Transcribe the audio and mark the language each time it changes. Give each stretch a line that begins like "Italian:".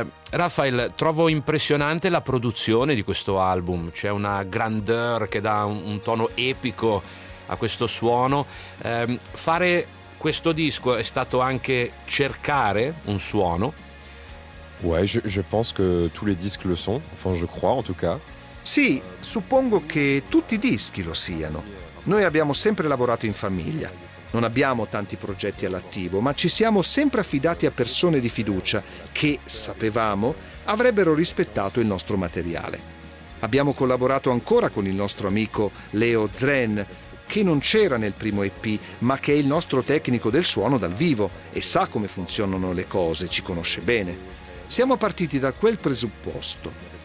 Italian: Rafael, trovo impressionante la produzione di questo album. C'è una grandeur che dà un tono epico a questo suono. Fare questo disco è stato anche cercare un suono?
French: Ouais, je pense que tous les disques le sont. Enfin, je crois en tout cas.
Italian: Sì, suppongo che tutti i dischi lo siano. Noi abbiamo sempre lavorato in famiglia. Non abbiamo tanti progetti all'attivo, ma ci siamo sempre affidati a persone di fiducia che, sapevamo, avrebbero rispettato il nostro materiale. Abbiamo collaborato ancora con il nostro amico Leo Zren, che non c'era nel primo EP, ma che è il nostro tecnico del suono dal vivo e sa come funzionano le cose, ci conosce bene. Siamo partiti da quel presupposto.